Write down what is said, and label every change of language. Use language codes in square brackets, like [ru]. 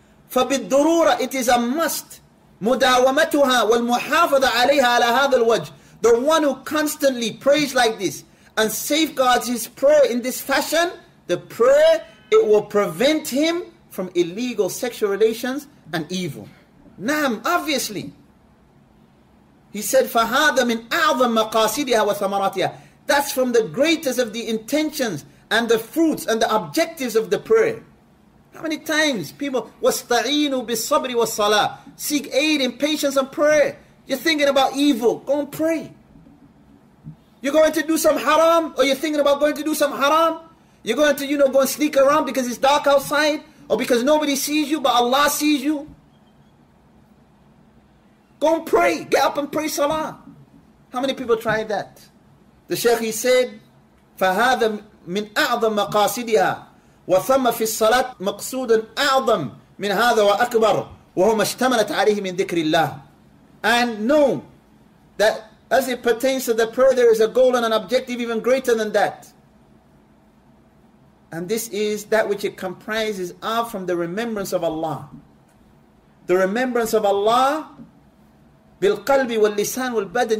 [ar] فَبِالْضُرُورَ. [en] It is a must. [ar] مُدَاوَمَتُهَا وَالْمُحَافَظَ عَلَيْهَا عَلَى هَذَا الْوَجْهِ. [en] The one who constantly prays like this and safeguards his prayer in this fashion, the prayer, it will prevent him from illegal sexual relations and evil. Naam, obviously. He said, [ar] فَهَذَا مِنْ أَعْظَمْ مَقَاسِدِهَا وَثَمَرَاتِهَا. [en] That's from the greatest of the intentions and the fruits and the objectives of the prayer. How many times people, [ar] وَاسْتَعِينُوا بِالصَّبْرِ وَالصَّلَاةِ. [en] Seek aid in patience and prayer. You're thinking about evil, go and pray. You're going to do some haram, or you're thinking about going to do some haram. You're going to, you know, go and sneak around because it's dark outside, or because nobody sees you, but Allah sees you. Go and pray. Get up and pray salah. How many people try that? The Shaykh, he said, [ar] فَهَذَا من أعظم مقاصدها وثم في الصلاة مقصود أعظم من هذا وأكبر وهو ما اشتملت عليه من ذكر الله. [en] And know that as it pertains to the prayer, there is a goal and an objective even greater than that. And this is that which it comprises of from the remembrance of Allah. The remembrance of Allah, [ar] بالقلب واللسان والبدن.